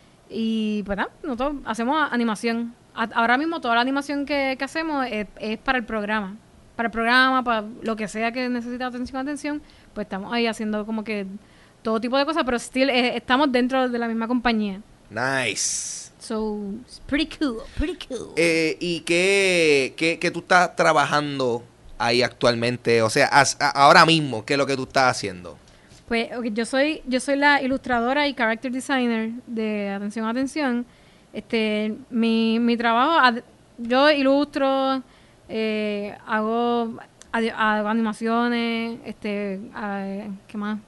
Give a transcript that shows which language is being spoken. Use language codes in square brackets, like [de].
[es] Y pues nada, nosotros hacemos animación. Ahora mismo toda la animación que hacemos es para el programa. Para el programa, para lo que sea que necesite Atención, Atención, pues estamos ahí haciendo como que todo tipo de cosas, pero still estamos dentro de la misma compañía. [en] Nice. So, it's pretty cool, pretty cool. [es] ¿Y qué tú estás trabajando ahí actualmente? O sea, ahora mismo, ¿qué es lo que tú estás haciendo? Pues, okay, yo soy la ilustradora y [en] character designer [es] de Atención, Atención. Mi trabajo, yo ilustro, hago animaciones, ¿qué más?